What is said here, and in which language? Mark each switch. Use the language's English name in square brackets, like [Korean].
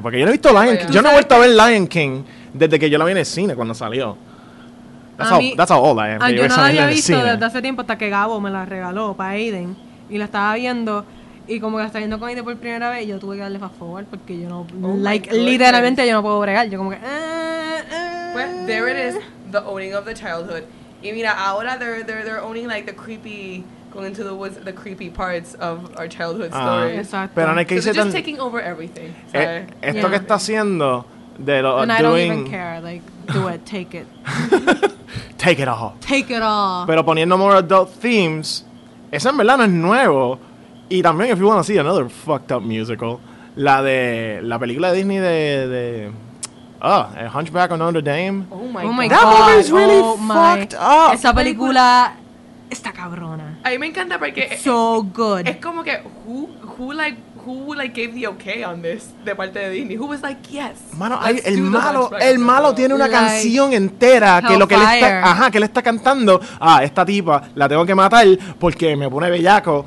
[Spanish] Porque yo no he visto Lion King. Yo no he vuelto a ver Lion King desde que yo la vi en el cine cuando salió. [English] That's how old I am. [Spanish] Yo no la había visto desde hace tiempo hasta que Gabo me la regaló para Aiden. Y la estaba viendo. Y como que la estaba viendo con Aiden por primera vez, yo tuve que darle fast forward porque yo no. Literalmente yo no puedo bregar. Yo como que. [English] Well, there it is. The owning of the childhood. [Spanish] Y mira, ahora [English] they're owning like the creepy. Going into the woods, the creepy parts of our childhood story. [Spanish] Exacto. Pero en el que [English] so just taking over everything. [Spanish] Esto que está haciendo de lo [English] and doing. And I don't even care. Like, do it, take it. Take it all. Take it all. [Spanish] Pero poniendo [English] more adult themes, [Spanish] eso en verdad no es nuevo. Y también, [English] if you want to see another fucked up musical, [Spanish] la de la película de Disney de Oh, a Hunchback of Notre Dame. [English] Oh my god. That movie is really fucked up. [Spanish] Esa película está cabrona. A mí me encanta porque [English] it's so good. [Spanish] Es como que [English] who gave the okay on this [Spanish] de parte de Disney. [English] Who was like yes. [Spanish] Mano, el malo tiene una canción entera que lo que [English] fire. [Spanish] Que le está cantando a esta tipa, la tengo que matar porque me pone bellaco.